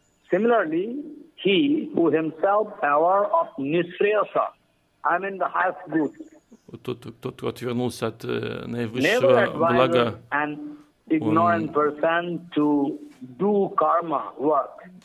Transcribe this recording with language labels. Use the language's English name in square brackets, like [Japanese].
[English] similarly, he who himself aware of nisreyasa, I mean the highest good. [Russian] Тот, кто отвернулся от наивысшего блага, [English] an ignorant person to do karma work.